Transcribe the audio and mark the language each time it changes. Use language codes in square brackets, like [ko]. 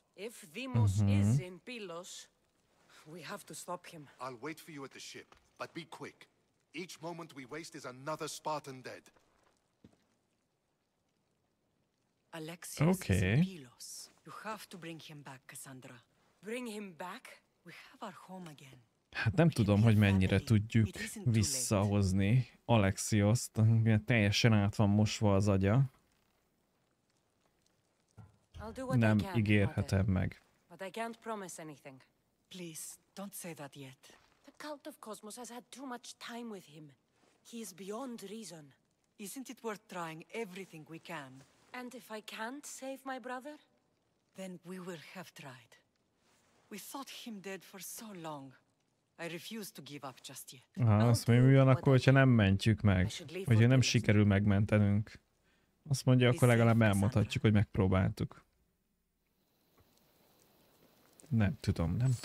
[en] If Deimos is in Pylos, we have to stop him. I'll wait for you at the ship, but be quick. Each moment we waste is another Spartan dead. Alexius is in Pylos. You have to bring him back, Cassandra. Bring him back? We have our home again. [hu] Hát nem tudom, hogy mennyire tudjuk visszahozni Alexiost, mert teljesen át van mosva az agya. Nem ígérhetem meg. [en] But I can't promise anything. Please, don't say that yet. The Cult of Cosmos has had too much time with him. He is beyond reason. Isn't it worth trying everything we can? And if I can't save my brother? Then we will have tried. We thought him dead for so long. I refuse to give up just yet. [hu] Azt mondja, mi van akkor, hogyha nem mentjük meg? Vagy ha nem sikerül megmentenünk? Azt mondja, akkor legalább elmondhatjuk, hogy megpróbáltuk. Nem tudom.